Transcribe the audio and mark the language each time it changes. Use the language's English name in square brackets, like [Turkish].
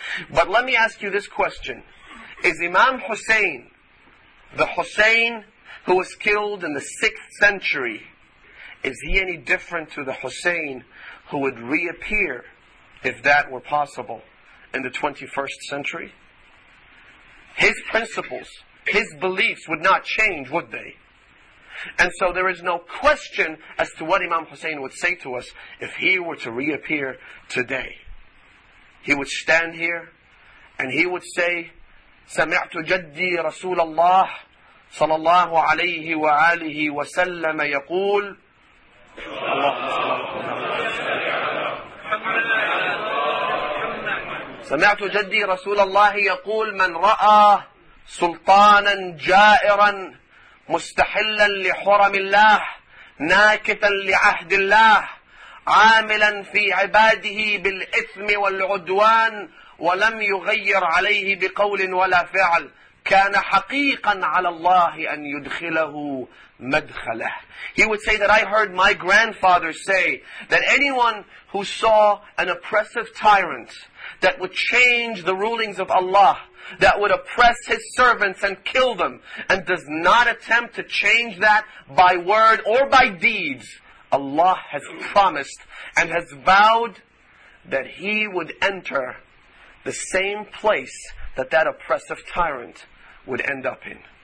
[English] But let me ask you this question. Is Imam Hussein, the Hussein who was killed in the 6th century, is he any different to the Hussein who would reappear, if that were possible, in the 21st century? His principles, his beliefs would not change, would they? And so there is no question as to what Imam Hussein would say to us if he were to reappear today. He would stand here and he would say, [Arabic] سَمِعْتُ جَدِّي رَسُولَ اللَّهِ صَلَى اللَّهُ عَلَيْهِ وَعَالِهِ وَسَلَّمَ يَقُولُ سَمِعْتُ جَدِّي رَسُولَ اللَّهِ يَقُولُ مَنْ رَأَى سلطانا جائرا مستحلا لحرم الله ناكتا لعهد الله عاملا في عباده بالإثم والعدوان ولم يغير عليه بقول ولا فعل كان حقيقا على الله أن يدخله مدخله. [English] He would say that I heard my grandfather say that anyone who saw an oppressive tyrant that would change the rulings of Allah, that would oppress his servants and kill them, and does not attempt to change that by word or by deeds, Allah has promised and has vowed that he would enter the same place that that oppressive tyrant would end up in.